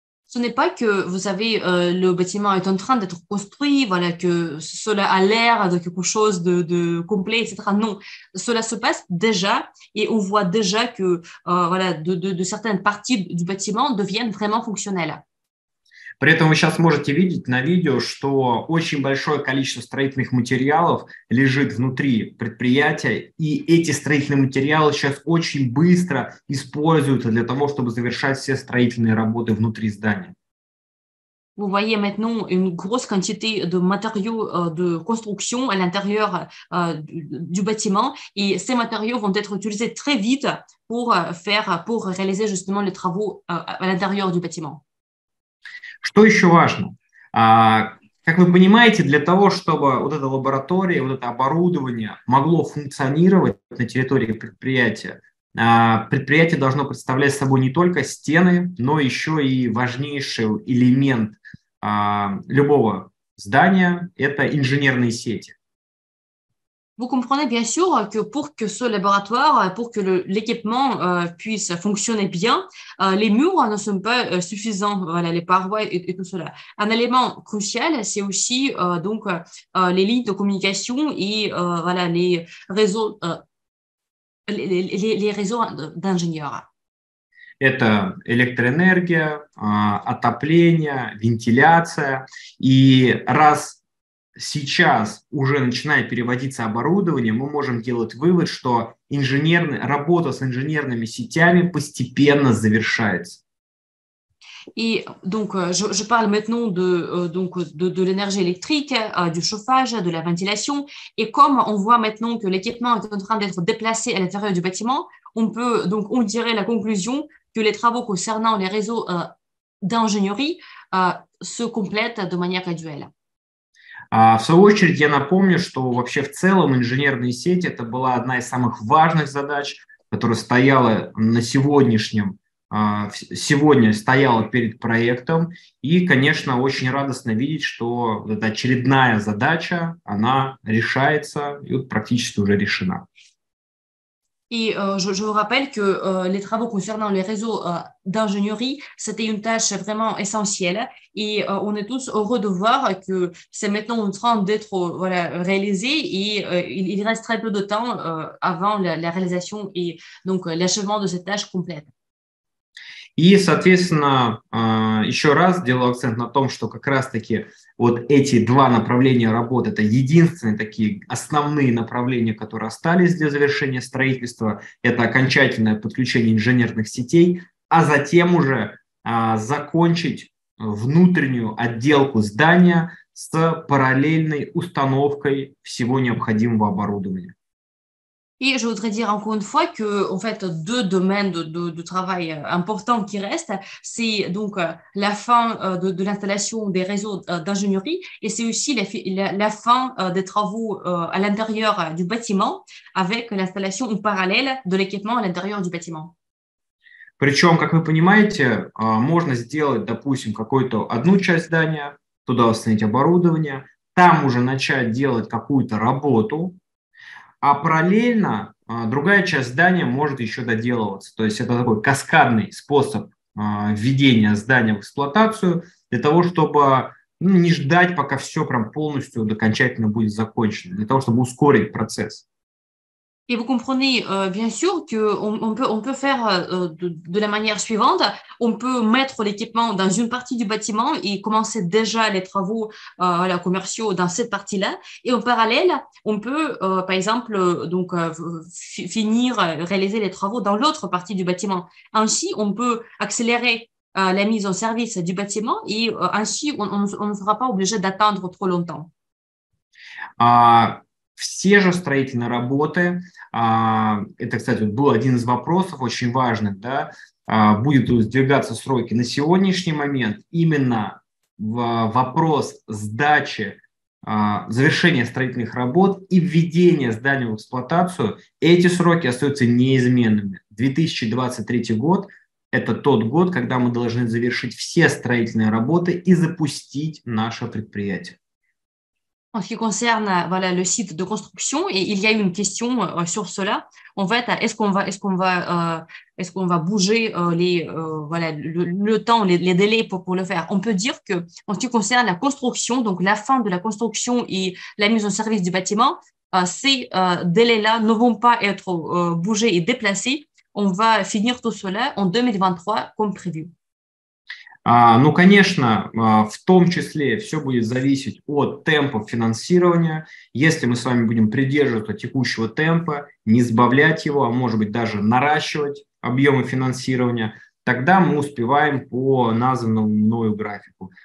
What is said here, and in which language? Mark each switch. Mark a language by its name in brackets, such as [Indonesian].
[French] Ce n'est pas que, vous savez, le bâtiment est en train d'être construit, voilà, que cela a l'air de quelque chose de complet, etc. Non, cela se passe déjà et on voit déjà que de certaines parties du bâtiment deviennent vraiment fonctionnelles. [Russian] При этом вы сейчас можете видеть на видео, что очень большое количество строительных материалов лежит внутри предприятия, и эти строительные материалы сейчас очень быстро используются для того, чтобы завершать все строительные работы внутри здания. [French] Vous voyez maintenant une grosse quantité de matériaux de construction à l'intérieur du bâtiment et ces matériaux vont être utilisés très vite pour réaliser justement les travaux à l'intérieur du bâtiment. [Russian] Что еще важно? Как вы понимаете, для того, чтобы вот эта лаборатория, вот это оборудование могло функционировать на территории предприятия, предприятие должно представлять собой не только стены, но еще и важнейший элемент любого здания – это инженерные сети. [French] Vous comprenez bien sûr que pour que ce laboratoire, pour que l'équipement puisse fonctionner bien, les murs ne sont pas suffisants, voilà, les parois et tout cela. Un élément crucial, c'est aussi donc les lignes de communication et voilà, les réseaux d'ingénieurs. [Russian] Это электроэнергия, отопление, вентиляция. И раз сейчас уже начинает переводиться оборудование, мы можем делать вывод, что работа с инженерными сетями постепенно завершается. И, [French] donc, je parle maintenant de l'énergie électrique, du chauffage, de la ventilation. Et comme on voit maintenant que l'équipement est en train d'être déplacé à l'intérieur du bâtiment, on dirait la conclusion que les travaux concernant les réseaux d'ingénierie se complètent de manière graduelle. [Russian] В свою очередь, я напомню, что вообще в целом инженерные сети – это была одна из самых важных задач, которая стояла сегодня стояла перед проектом. И, конечно, очень радостно видеть, что эта очередная задача, она решается и вот практически уже решена. [French] Et je vous rappelle que les travaux concernant les réseaux d'ingénierie, c'était une tâche vraiment essentielle. Et on est tous heureux de voir que c'est maintenant en train d'être réalisé et il reste très peu de temps avant la réalisation et donc l'achèvement de cette tâche complète. [Russian] И, соответственно, еще раз делаю акцент на том, что как раз-таки вот эти два направления работы – это единственные такие основные направления, которые остались для завершения строительства. Это окончательное подключение инженерных сетей, а затем уже закончить внутреннюю отделку здания с параллельной установкой всего необходимого оборудования. [French] Et je voudrais dire encore une fois que, en fait, deux domaines de travail importants qui restent, c'est donc la fin de l'installation des réseaux d'ingénierie et c'est aussi la fin des travaux à l'intérieur du bâtiment avec l'installation en parallèle de l'équipement à l'intérieur du bâtiment. [Russian] Причем, как вы понимаете, можно сделать, допустим, какую-то одну часть здания, туда установить оборудование, там уже начать делать какую-то работу. А параллельно другая часть здания может еще доделываться. То есть это такой каскадный способ введения здания в эксплуатацию для того, чтобы не ждать, пока все прям полностью окончательно будет закончено, для того, чтобы ускорить процесс. [French] Et vous comprenez bien sûr qu'on peut faire de la manière suivante. On peut mettre l'équipement dans une partie du bâtiment et commencer déjà les travaux commerciaux dans cette partie-là. Et en parallèle, on peut, par exemple, réaliser les travaux dans l'autre partie du bâtiment. Ainsi, on peut accélérer la mise en service du bâtiment et ainsi, on ne sera pas obligé d'attendre trop longtemps. [Russian] Все же строительные работы, это, кстати, был один из вопросов очень важных, да, будут сдвигаться сроки. На сегодняшний момент именно вопрос сдачи, завершения строительных работ и введения здания в эксплуатацию, эти сроки остаются неизменными. 2023 год – это тот год, когда мы должны завершить все строительные работы и запустить наше предприятие. [French] En ce qui concerne le site de construction, et il y a eu une question sur cela. En fait, est-ce qu'on va bouger le temps, les délais pour le faire? On peut dire que en ce qui concerne la construction, donc la fin de la construction et la mise en service du bâtiment, ces délais-là ne vont pas être bougés et déplacés. On va finir tout cela en 2023 comme prévu. [Russian] Ну, конечно, в том числе все будет зависеть от темпов финансирования. Если мы с вами будем придерживаться текущего темпа, не сбавлять его, а может быть даже наращивать объемы финансирования, тогда мы успеваем по названному мною графику.